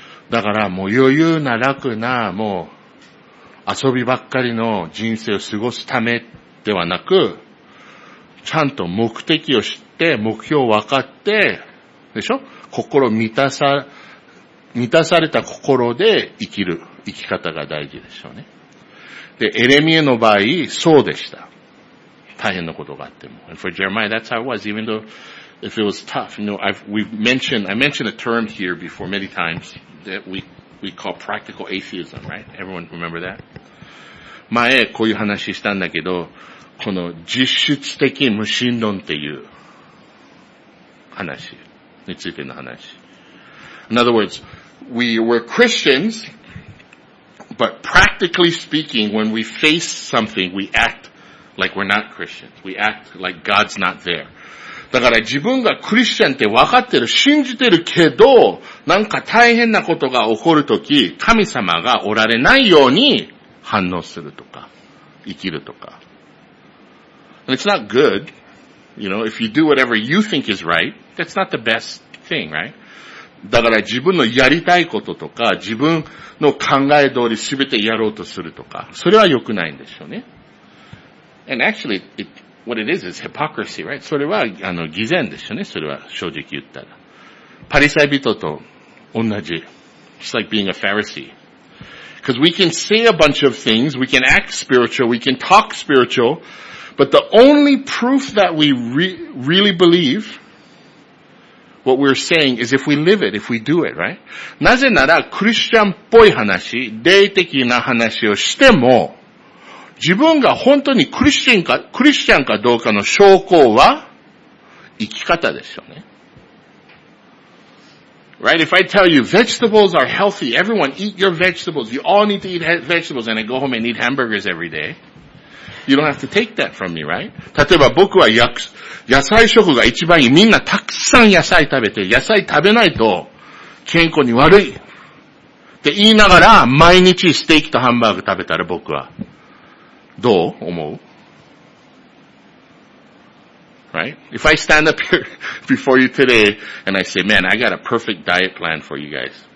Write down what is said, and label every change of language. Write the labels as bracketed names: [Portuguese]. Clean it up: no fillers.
[Japanese] だからもう余裕な楽な、もう遊びばっかりの人生を過ごすためではなく、ちゃんと目的を知って、目標を分かって、でしょ？心満たされた心で生きる生き方が大事でしょうね。で、エレミエの場合、そうでした。大変なことがあっても。 [English] And for Jeremiah, that's how it was, even though if it was tough. You know, I mentioned a term here before many times that we call practical atheism, right? Everyone remember that? [Japanese] 前、こういう話したんだけど、この実質的無神論っていう話。についての話。 [English] In other words, we were Christians, but practically speaking, when we face something, we act like we're not Christians. We act like God's not there. [Japanese] だから自分がクリスチャンって分かってる、信じてるけど、なんか大変なことが起こるとき、神様がおられないように反応するとか、生きるとか。 [English] And it's not good. You know, if you do whatever you think is right, that's not the best thing, right? [Japanese] だから自分のやりたいこととか、自分の考え通り全てやろうとするとか、それは良くないんでしょうね。 [English] And actually, what it is hypocrisy, right? [Japanese] それは、偽善でしょうね。それは、正直言ったら。パリサイ人と同じ。 [English] It's like being a Pharisee. Because we can say a bunch of things, we can act spiritual, we can talk spiritual, but the only proof that we really believe what we're saying is if we live it, if we do it, right? [Japanese] なぜなら、クリスチャンっぽい話、霊的な話をしても、自分が本当にクリスチャンかどうかの証拠は生き方ですよね。 [English] Right? If I tell you vegetables are healthy, everyone eat your vegetables, you all need to eat vegetables and I go home and eat hamburgers every day, you don't have to take that from me, right? [Japanese] 例えば僕は野菜食が一番いい。みんなたくさん野菜食べて、野菜食べないと健康に悪い。って言いながら毎日ステーキとハンバーグ食べたら僕は。どう思う? [English] Right? If I stand up here before you today and I say, man, I got a perfect diet plan for you guys.